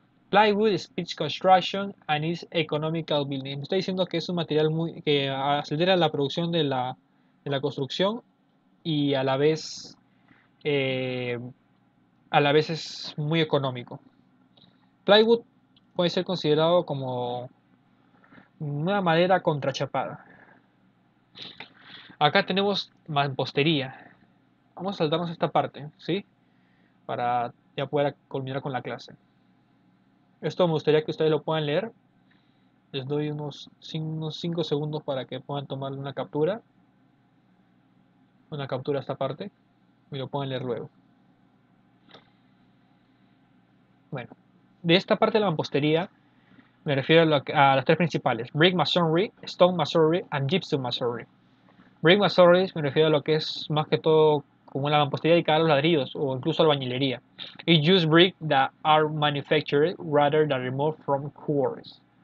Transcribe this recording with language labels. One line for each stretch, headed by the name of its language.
English: Plywood is pitch construction and is economical building.
Spanish: Me está diciendo que es un material muy, que acelera la producción de la construcción y a la vez es muy económico. Plywood puede ser considerado como una madera contrachapada. Acá tenemos mampostería. Vamos a saltarnos esta parte, ¿sí? Para ya poder culminar con la clase. Esto me gustaría que ustedes lo puedan leer. Les doy unos 5 segundos para que puedan tomar una captura. Una captura a esta parte. Y lo puedan leer luego. Bueno, de esta parte de la mampostería, me refiero a las tres principales.
English: Brick masonry, stone masonry and gypsum masonry.
Spanish: Brick masonry me refiero a lo que es más que todo como la mampostería dedicada a los ladrillos o incluso a la albañilería.
English: It uses brick that are manufactured rather than removed from quarries.